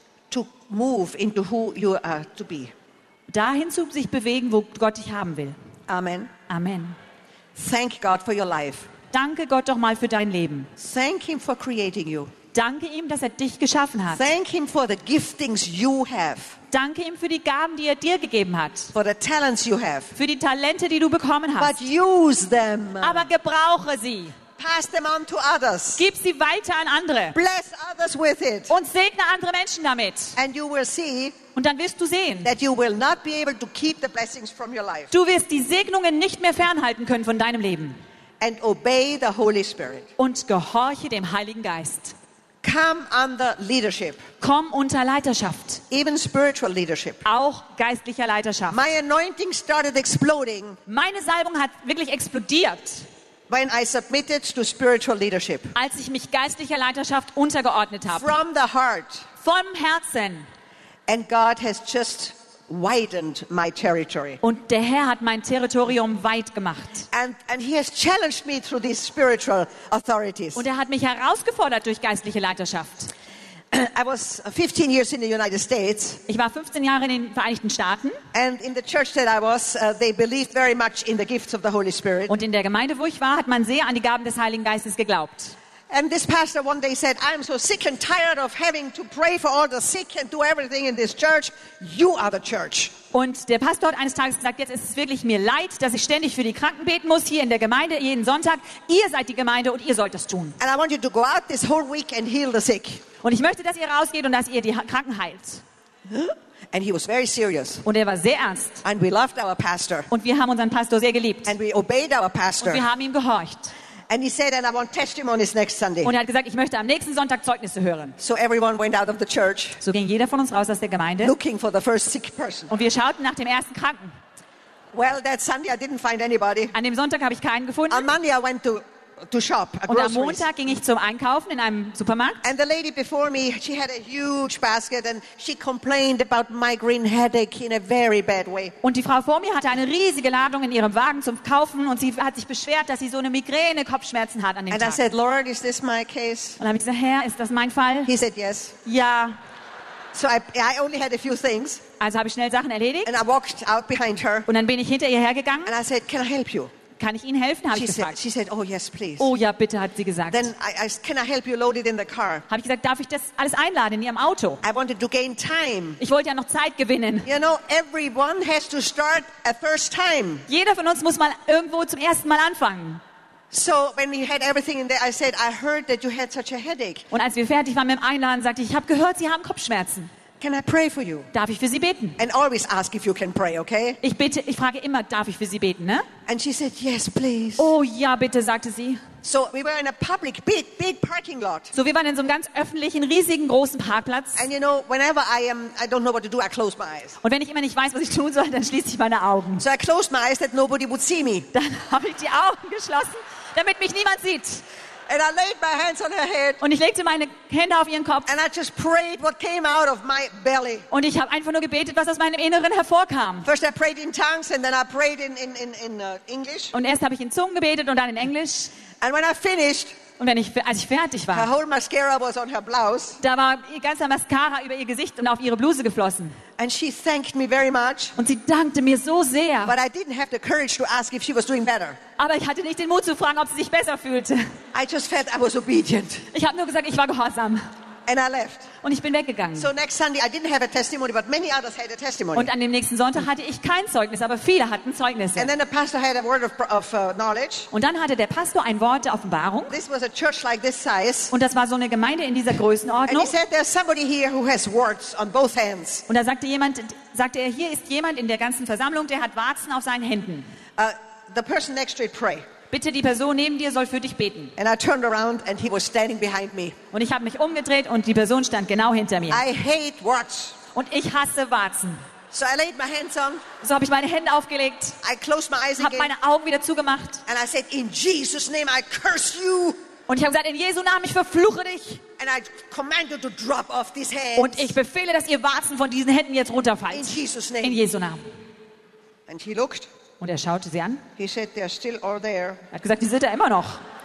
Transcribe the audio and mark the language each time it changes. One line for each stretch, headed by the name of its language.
English: To move into who you are to be.
German: Dahin zu sich bewegen, wo Gott dich haben will.
English: Amen.
German: Amen.
English: Thank God for your life.
German: Danke Gott doch mal für dein Leben.
English: Thank him for creating you.
German: Danke ihm, dass er dich geschaffen hat.
English: Thank him for the giftings you have.
German: Danke ihm für die Gaben, die er dir gegeben hat.
English: For the talents you have.
German: Für die Talente, die du bekommen hast.
English: But use them.
German: Aber gebrauche sie.
English: Pass them on to others.
German: Gib sie weiter an andere.
English: Bless others with it.
German: Und segne andere Menschen damit.
English: And you will see.
German: Und dann wirst du sehen.
English: That you will not be able to keep the blessings from your life.
German: Du wirst die Segnungen nicht mehr fernhalten können von deinem Leben.
English: And obey the Holy Spirit.
German: Und gehorche dem Heiligen Geist.
English: Come under leadership.
German: Komm unter Leiterschaft.
English: Even spiritual leadership.
German: Auch geistlicher Leiterschaft.
English: My anointing started exploding.
German: Meine Salbung hat wirklich explodiert.
English: When I submitted to spiritual leadership.
German: Als ich mich geistlicher Leiterschaft untergeordnet habe.
English: From the heart.
German: Vom Herzen.
English: And God has just widened my territory.
German: Und der Herr hat mein Territorium weit gemacht.
English: And he has challenged me through these spiritual authorities.
German: Und er hat mich herausgefordert durch geistliche Leiterschaft.
English: I was 15 years in the United States.
German: Ich war 15 Jahre in den Vereinigten Staaten.
English: And in the church that I was, they believed very much in the gifts of the Holy Spirit.
German: Und in der Gemeinde, wo ich war, hat man sehr an die Gaben des Heiligen Geistes geglaubt.
English: And this pastor one day said, I'm so sick and tired of having to pray for all the sick and do everything in this church. You are the church.
German: Und der Pastor hat eines Tages gesagt, jetzt ist es wirklich mir leid, dass ich ständig für die Kranken beten muss hier in der Gemeinde jeden Sonntag. Ihr seid die Gemeinde und ihr sollt das tun.
English: And I want you to go out this whole week and heal the sick.
German: Und ich möchte, dass ihr rausgeht und dass ihr die Kranken heilt.
English: And he was very serious.
German: Und er war sehr ernst.
English: And we loved our pastor.
German: Und wir haben unseren Pastor sehr geliebt.
English: And we obeyed our pastor.
German: Und wir haben ihm gehorcht.
English: And he said, and I want testimonies next Sunday.
German: Und er hat gesagt, ich möchte am nächsten Sonntag Zeugnisse hören.
English: So everyone went out of the church.
German: So ging jeder von uns raus aus der Gemeinde.
English: Looking for the first sick person.
German: Und wir schauten nach dem ersten Kranken.
English: Well, that Sunday I didn't find anybody.
German: An dem Sonntag habe ich keinen gefunden.
English: On Monday I went to shop, a groceries.
German: Und am Montag ging ich zum Einkaufen in einem Supermarkt.
English: And the lady before me, she had a huge basket and she complained about migraine headache in a very bad way.
German: Und die Frau vor mir hatte eine riesige Ladung in ihrem Wagen zum Kaufen und sie hat sich beschwert, dass sie so eine Migräne, Kopfschmerzen hat an dem
English: and
German: Tag.
English: And I said, Lord, is this my case?
German: Und habe ich gesagt, Herr, ist das mein Fall?
English: He said, yes.
German: Ja.
English: So I only had a few things.
German: Also habe ich schnell Sachen erledigt.
English: And I walked out behind her.
German: Und dann bin ich hinter ihr hergegangen.
English: And I said, can I help you?
German: Kann ich Ihnen helfen, habe ich gefragt.
English: She said, oh, yes, please.
German: Oh ja, bitte, hat sie gesagt.
English: Then I can I help you load it in the car?
German: Habe ich gesagt, darf ich das alles einladen in Ihrem Auto?
English: I wanted to gain time.
German: Ich wollte ja noch Zeit gewinnen.
English: You know, everyone has to start a first time.
German: Jeder von uns muss mal irgendwo zum ersten Mal anfangen.
English: So when you had everything in there, I said, I heard that you had such a headache.
German: Und als wir fertig waren mit dem Einladen, sagte ich, ich habe gehört, Sie haben Kopfschmerzen.
English: Can I pray for you?
German: Darf ich für Sie beten?
English: And always ask if you can pray, okay?
German: Ich frage immer, darf ich für Sie beten, ne?
English: And she said, yes, please.
German: Oh ja, bitte, sagte sie.
English: So we were in a public, big parking lot.
German: So wir waren in so einem ganz öffentlichen, riesigen, großen Parkplatz.
English: And you know, whenever I don't know what to do, I close my eyes.
German: Und wenn ich immer nicht weiß, was ich tun soll, dann schließe ich meine Augen.
English: So I closed my eyes that nobody would see me.
German: Dann habe ich die Augen geschlossen, damit mich niemand sieht.
English: And I laid my hands on her head.
German: Und ich legte meine Hände auf ihren Kopf.
English: And I just prayed what came out of my belly.
German: Und ich habe einfach nur gebetet, was aus meinem Inneren hervorkam.
English: First I prayed in tongues and then I prayed in English.
German: Und erst habe ich in Zungen gebetet und dann in Englisch.
English: And when I finished,
German: und wenn ich als ich fertig war,
English: her whole mascara was on her blouse.
German: Da war ihr ganzer Mascara über ihr Gesicht und auf ihre Bluse geflossen.
English: And she thanked me very much.
German: Und sie dankte mir so sehr.
English: But I didn't have the courage to ask if she was doing better.
German: Aber ich hatte nicht den Mut zu fragen, ob sie sich besser fühlte.
English: I just felt I was obedient.
German: Ich habe nur gesagt, ich war gehorsam.
English: And I left.
German: Und ich bin weggegangen.
English: So next Sunday I didn't have a testimony, but many others had a testimony.
German: Und an dem nächsten Sonntag hatte ich kein Zeugnis, aber viele hatten Zeugnisse.
English: And then the pastor had a word of knowledge.
German: Und dann hatte der Pastor ein Wort der Offenbarung.
English: This was a church like this size.
German: Und das war so eine Gemeinde in dieser Größenordnung.
English: And he said, there's somebody here who has warts on both hands.
German: Und da sagte er, hier ist jemand in der ganzen Versammlung, der hat Warzen auf seinen Händen.
English: The person next to it pray.
German: Bitte, die Person neben dir soll für dich beten.
English: And I turned around and he was standing behind me.
German: Und ich habe mich umgedreht und die Person stand genau hinter mir.
English: I hate warts.
German: Und ich hasse Warzen.
English: So I laid my hands on.
German: So habe ich meine Hände aufgelegt.
English: I closed my eyes again.
German: Habe meine Augen wieder zugemacht.
English: And I said, in Jesus' name I curse you.
German: Und ich habe gesagt, in Jesu Namen, ich verfluche dich.
English: And I command you to drop off these hands.
German: Und ich befehle, dass ihr Warzen von diesen Händen jetzt runterfallen.
English: In Jesus' name.
German: In Jesu Namen.
English: And he looked.
German: Und er schaute sie an.
English: He said, they're still all there.
German: Er hat gesagt, die sind da immer noch.